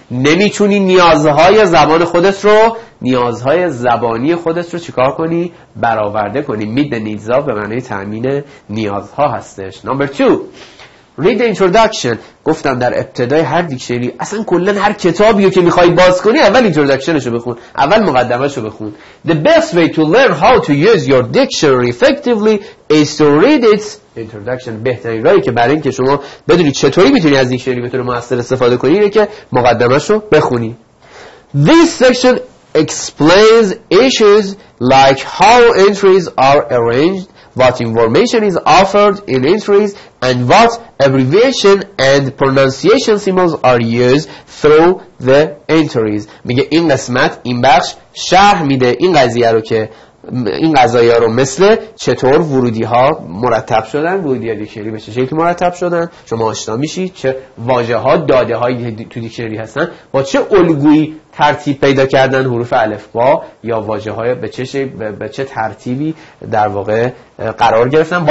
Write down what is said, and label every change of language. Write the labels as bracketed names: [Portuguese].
[Persian] نمیتونی نیازهای زبان خودت رو، نیازهای زبانی خودت رو چیکار کنی؟ برآورده کنی. [English] Meet the needs of [Persian] به معنی تامین نیازها هستش. [English] Number 2. Read the introduction. [Persian] گفتم در ابتدای هر دیکشنری، اصلا کلا هر کتابی رو که میخوای باز کنی، اول اینتروداکشنشو بخون، اول مقدمه‌شو بخون. [English] The best way to learn how to use your dictionary effectively is to read its introduction. [Persian] بهترین راهی که برای اینکه شما بدونی چطوری میتونی از دیکشنری به طور مؤثر استفاده کنی اینه که مقدمه‌شو بخونی. [English] This section explains issues like how entries are arranged, what information is offered in entries and what abbreviation and pronunciation symbols are used through the entries. [Persian] میگه این قسمت، این بخش شرح میده این قضیه رو که این قضیه رو مثل چطور ورودی ها مرتب شدن، ورودی ها دیکشنری به چه شکلی مرتب شدن، شما آشنا میشید چه واژه ها داده هایی تو دیکشنری هستن، با چه الگویی ترتیب پیدا کردن حروف الفبا یا واژه های به چه ترتیبی در واقع قرار گرفتن.